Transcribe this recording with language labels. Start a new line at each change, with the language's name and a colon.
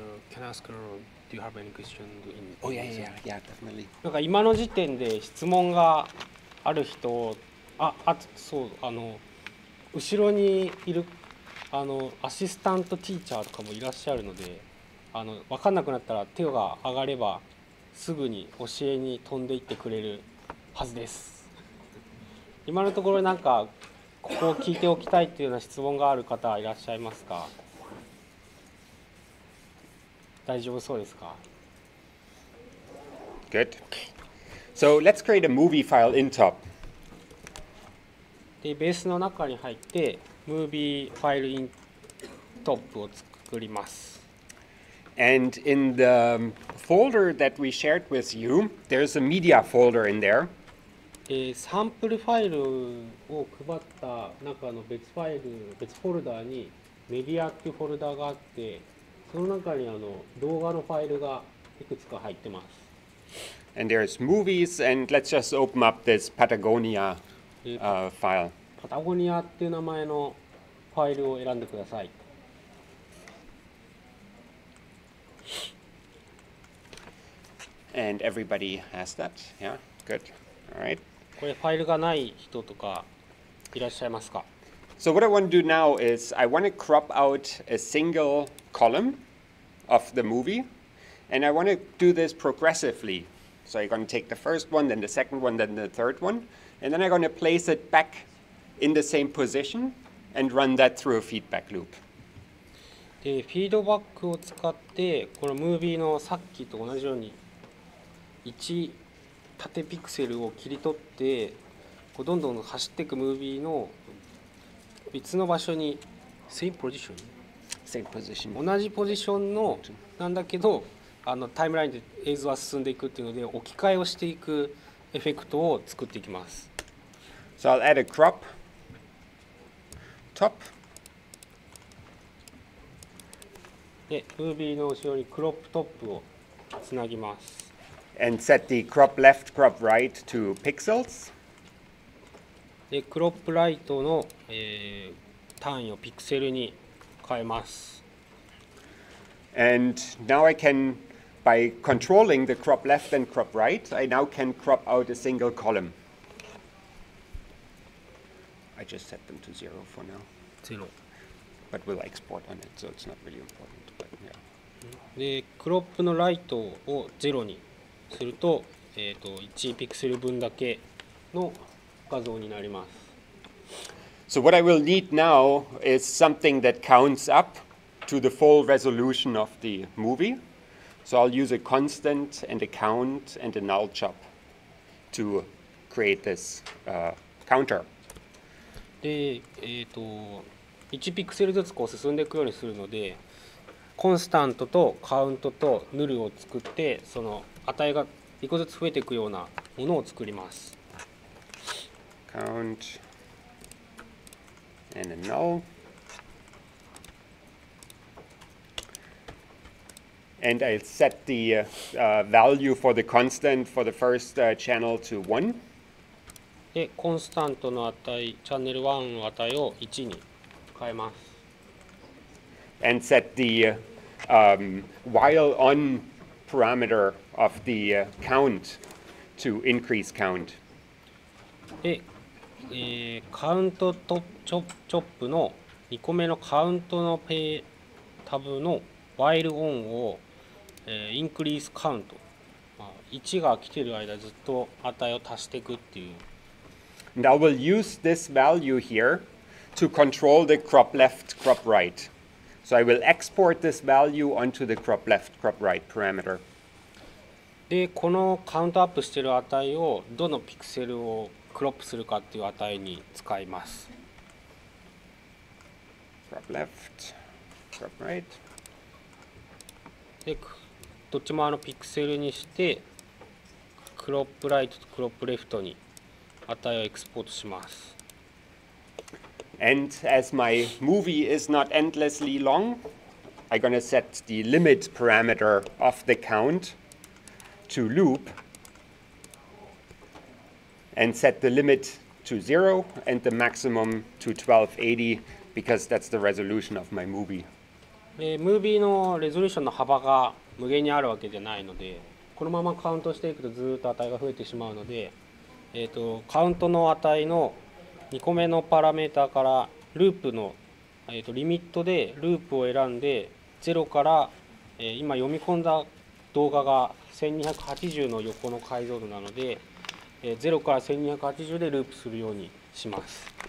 English: Can I ask, do you have any questions? Yeah, definitely.
Japanese: なんか今の時点で質問がある人を、あ、そう、あの、後ろにいる、あの、アシスタントティーチャーとかもいらっしゃるので、あの、分かんなくなったら手が上がればすぐに教えに飛んでいってくれるはずです。今のところなんかここを聞いておきたいというような質問がある方はいらっしゃいますか？大丈夫そうですか？
English: Good. So let's create a movie file in top.
Japanese: でベースの中に入ってムービーファイルイントップを作ります。
English: And in the folder that we shared with you, there's a media folder in there.
Japanese: でサンプルファイルを配った中の別ファイル、別フォルダーにメディアっていうフォルダーがあって、その中にあの動画のファイルがいくつか入ってます。
English: And there's movies, and let's just open up this Patagonia. File.
Japanese: Patagonia っていう名前のファイルを選んでください。
English: And everybody has that. Yeah, good. All right.
Japanese: これファイルがない人とかいらっしゃいますか?
English: So what I want to do now is I want to crop out a single column of the movie, and I want to do this progressively. So you're going to take the first one, then the second one, then the third one. And then I'm going to place it back in the same position and run that through a feedback loop.
Japanese: で、フィードバックを使って、このムービーのさっきと同じように1縦ピクセルを切り取って、こうどんどん走っていくムービーの別の場所に、
English: same position? Same position.
Japanese: 同じポジションのなんだけど、あのタイムラインで映像は進んでいくっていうので、置き換えをしていく。エフェクトを作っていきます。
English: So I'll add a crop top.
Japanese: で、ムービーの後ろにクロップトップをつなぎます。
English: And set the crop left, crop right to pixels.
Japanese: で、クロップライトの、単位をピクセルに変えます。
English: And now I can. By controlling the crop left and crop right, I now can crop out a single column. I just set them to zero for now. Zero. But we'll export on it, so it's not really important. But yeah.
Japanese: で、クロップのライトをゼロにすると、1ピクセル分だけの画像になります。
English: So what I will need now is something that counts up to the full resolution of the movie. So I'll use a constant and a count and a null chop to create this counter.
Japanese: で、1ピクセルずつこう進んでいくようにするので、コンスタントとカウントとヌルを作って、その値が1個ずつ増えていくようなものを作ります。
English: Count and a null. And I set the value for the constant for the first channel to 1.
Japanese: で、コンスタントの値、チャンネル1の値を1に変えます。
English: And set the while on parameter of the count to increase count.
Japanese: で、カウントとチョップの2個目のカウントのペタブの while on をインクリースカウント。 1が来ている間ずっと値を足していくっていう。
English: And I will use this value here to control the crop left, crop right. So I will export this value onto the crop left, crop right parameter.
Japanese: で、このカウントアップしている値をどのピクセルをクロップするかっていう値に使います。
English: Crop left, crop right.
Japanese: で、どっちもあのピクセルにして、クロップライトとクロップレフトに値をエクスポートします。
English: And as my movie is not endlessly long, I'm gonna set the limit parameter of the count. To loop and set the limit to 0 and the maximum to 1280 because that's the resolution of my movie.
Japanese: Movie の resolution の幅が無限にあるわけじゃないので、このままカウントしていくとずっと値が増えてしまうので、カウントの値の2個目のパラメータからループの、リミットでループを選んで0から、今読み込んだ動画が1280の横の解像度なので、0から1280でループするようにします。